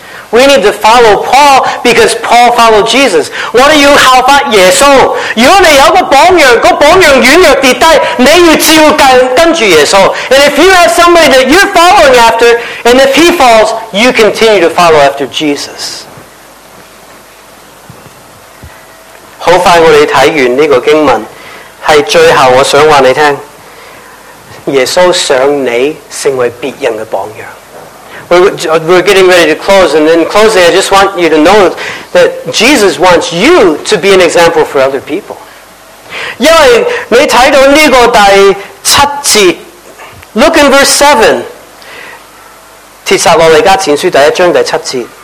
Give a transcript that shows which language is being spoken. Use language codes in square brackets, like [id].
[en] We need to follow Paul because Paul followed Jesus. [zh] 我要效法耶稣。如果你有个榜样,那个榜样软弱跌低, 你要照跟着耶稣。 [en] And if you have somebody that you're following after, and if he falls, you continue to follow after Jesus. [zh] 很快我们看完这个经文,是最后我想告诉你,耶稣想你成为别人的榜样。 [en] We're getting ready to close, and in closing, I just want you to know that Jesus wants you to be an example for other people. [zh] 因为你看到这个第七节, [en] look in verse 7, [zh] 帖撒罗尼迦前书第一章第七节,